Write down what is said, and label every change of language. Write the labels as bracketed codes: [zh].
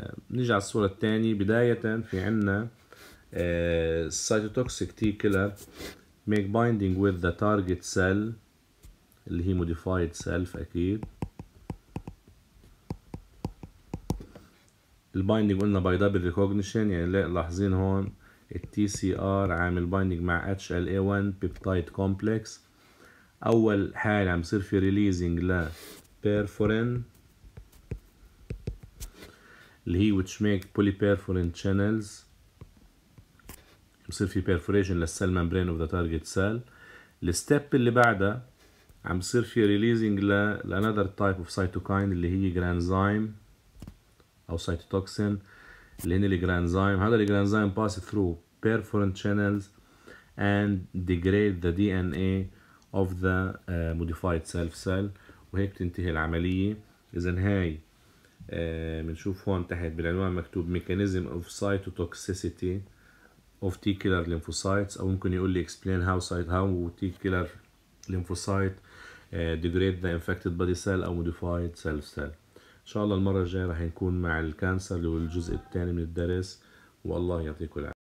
[ar] بنيجي على الصوره الثانيه، بدايه في عندنا [en] السيتوتوكسيك T killer make binding with the target cell [ar] اللي هي [en] modified self. [ar] أكيد البايندينج قلنا [en] by double recognition، [ar] يعني لاحظين هون TCR عامل بايندينج مع HLA1 peptide complex. أول حال عم يصير في releasing ل perforin اللي هي [en] which make polyperforin channels، [ar] يصير في perforation لل [en] cell membrane of the target cell. [ar] الستيب اللي بعدها عم بصير في releasing ل [en] another type of cytokine [ar] اللي هي granzyme أو cytotoxin اللي هن الgranzyme. هذا الgranzyme [en] pass through perforin channels and degrade the DNA of the modified self cell، [ar] وهيك بتنتهي العملية. إذا هاي بنشوف هون تحت بالعنوان مكتوب [en] mechanism of cytotoxicity of T killer lymphocytes، [ar] أو ممكن يقول لي [en] explain how T killer lymphocyte degrade the infected body cell [ar] أو [en] modified cell cell. [ar] إن شاء الله المرة الجاية رح نكون مع الكانسر اللي هو الجزء الثاني من الدرس، والله يعطيكم العافية.